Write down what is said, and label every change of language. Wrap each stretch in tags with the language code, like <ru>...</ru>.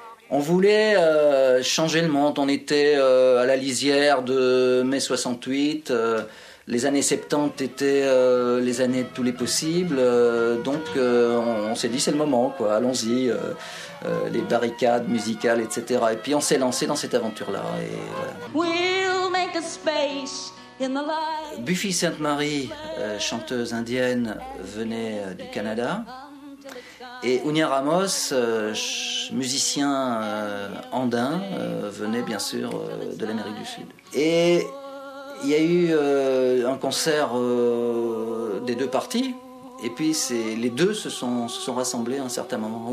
<fr>On voulait changer le monde, on était à la lisière de mai 68, les années 70 étaient les années de tous les possibles, donc on s'est dit c'est le moment, quoi. Allons-y, les barricades musicales, etc. Et puis on s'est lancé dans cette aventure-là.</fr> <en>Et, we'll make a space in the light.</en> <fr>Buffy Sainte-Marie, chanteuse indienne, venait du Canada. Et Unia Ramos, musicien andin, venait bien sûr de l'Amérique du Sud. Et il y a eu un concert des deux parties, et puis les deux se sont rassemblés à un certain moment.</fr>